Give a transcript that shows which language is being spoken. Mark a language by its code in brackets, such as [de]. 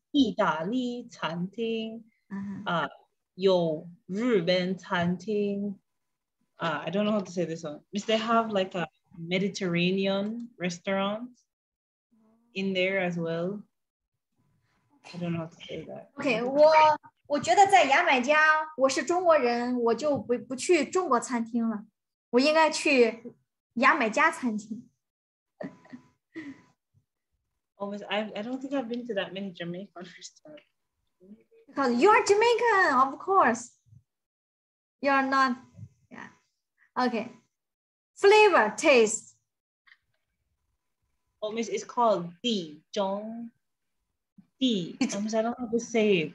[zh] Italy 餐厅啊，有日本餐厅啊。 [en] I don't know how to say this one. Miss, they have like a Mediterranean restaurant in there as well. I don't know how to say that. [zh] Okay, 我觉得在牙买加，我是中国人，我就不去中国餐厅了，我应该去牙买加餐厅。 [en] I don't think I've been to that many Jamaican restaurants. Because you are Jamaican, of course. You are not. Yeah. Okay. Flavor, taste. Oh, Miss, it's called Dijon. I don't know how to say it.